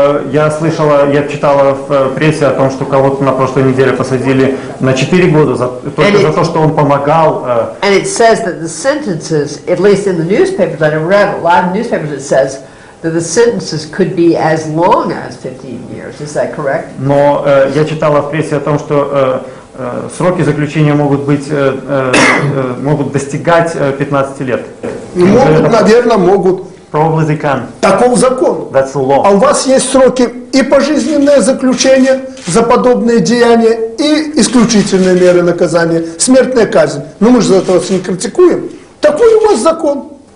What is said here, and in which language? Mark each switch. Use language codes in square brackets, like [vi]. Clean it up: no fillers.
[ru] Я читала в прессе о том, что кого-то на прошлой неделе посадили на 4 года за то, что он помогал. [en] And it says that the sentences, at least in the newspapers, I read a lot of newspapers, it says that the sentences could be as long as 15 years. Is that correct? [ru] Но я читала в прессе о том, что сроки заключения могут достигать 15 лет. Могут. [en] Probably they can. [ru] Таков закон. [en] That's the law. [ru] А у вас есть сроки и пожизненное заключение за подобные деяния, и исключительные меры наказания, смертная казнь. Но мы же за это вас не критикуем. Такой у вас закон.